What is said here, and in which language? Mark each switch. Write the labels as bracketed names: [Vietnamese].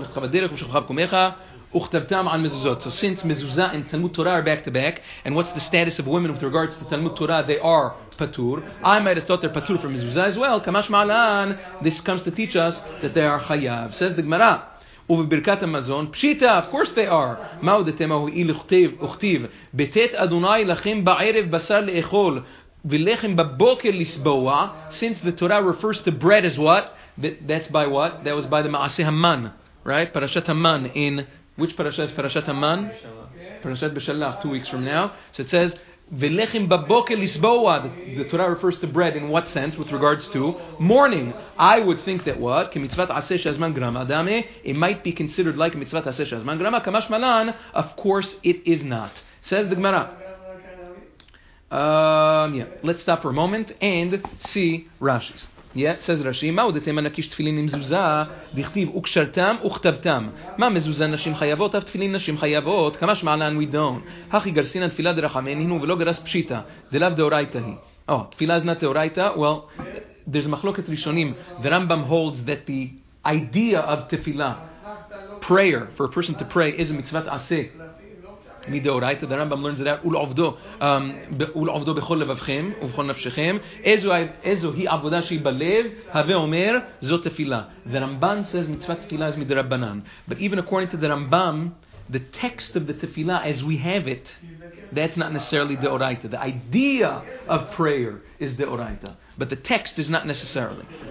[English] So since mezuzah and Talmud Torah are back to back, and what's the status of women with regards to Talmud Torah, they are patur. I might have thought they're patur for mezuzah as well. [Hebrew] Kamash ma'alan. [English] This comes to teach us that they are chayav. Says the Gemara, [Hebrew] ובברכת המזון, פשיטה, [English] of course they are. [Hebrew] מהו דתמה הוא אי לכתיב, וכתיב, בתת אדוני לכם בערב בשר לאכול, ולחם בבוקר לסבוע, [English] since the Torah refers to bread as what? That's by what? That was by the מעשה המן, right? [Hebrew] פרשת המן, in which פרשה is פרשת המן? [English] פרשת בשלח, 2 weeks from now. So it says, [Hebrew] ולחם בבוקר לסבוע, [English] the Torah refers to bread in what sense, with regards to morning. I would think that what? [Hebrew] כמצוות עשה שהזמן גרמה, דמי, [English] it might be considered like [Hebrew] מצוות עשה שהזמן גרמה, כמש מלן, [English] of course it is not. Says the Gemara. Let's stop for a moment and see Rashi's. Yeah, says Rashi, [Hebrew] מהו דתם הנקיש תפילין עם זוזה, דכתיב וקשרתם וכתבתם. מה מזוזה נשים חייבות, אף תפילין נשים חייבות, כמה שמעלן [English] we don't. [Hebrew] הכי גרסינה תפילה דרחמנינו ולא גרס פשיטה, דלאו דאורייתא היא. Oh, תפילה זנה תאורייתא, [English] well, there's a [Hebrew] מחלוקת ראשונים. [English] The Rambam holds that the idea of תפילה, prayer, for a person to pray, is a מצוות עשה. [Hebrew] מדאורייתא, [English] the Rambam learns it out, [Hebrew] ולעובדו בכל לבבכם ובכל נפשכם, איזו היא עבודה שהיא בלב, הווה אומר, זו תפילה. [English] The Rambam says, [Hebrew] מצוות תפילה [English] is מדרבנן. But even according to the Rambam, the text of the תפילה as we have it, that's not necessarily דאורייתא. The idea of prayer is דאורייתא. But the text is not necessarily.